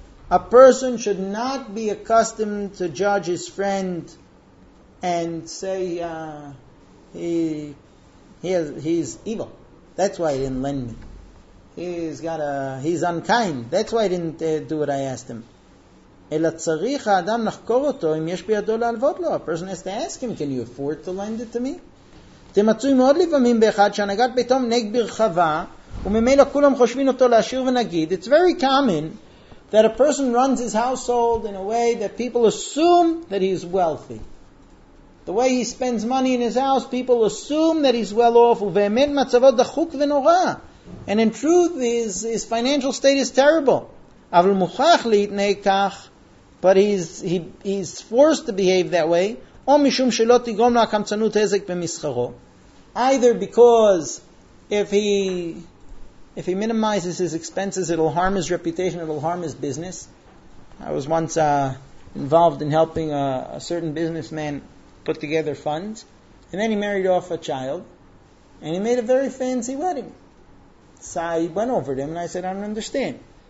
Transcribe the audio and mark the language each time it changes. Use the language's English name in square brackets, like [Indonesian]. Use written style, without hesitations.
[English] A person should not be accustomed to judge his friend and say he's evil. That's why he didn't lend me. He's unkind. That's why he didn't do what I asked him. [Hebrew] אלא צריך האדם לחקור אותו אם יש בידו להלוות לו. [English] A person has to ask him, can you afford to lend it to me? [Hebrew] תמצוי מאוד לפעמים באחד שהנהגת ביתו נהג ברחבה וממילא כולם חושבים אותו להשאיר ונגיד. [English] It's very common that a person runs his household in a way that people assume that he is wealthy. The way he spends money in his house, people assume that he's well off. [Hebrew] ובאמת מצבו דחוק ונורא. [English] And in truth, his financial state is terrible. [Hebrew] אבל מוכרח להתנהג כך, [English] but he's forced to behave that way, [Hebrew] או משום שלא תגרום לו הקמצנות הזק במסחרו. [English] Either because if he minimizes his expenses, it'll harm his reputation, it'll harm his business. I was once involved in helping a certain businessman put together funds, and then he married off a child, and he made a very fancy wedding. So I went over to him and I said, I don't understand.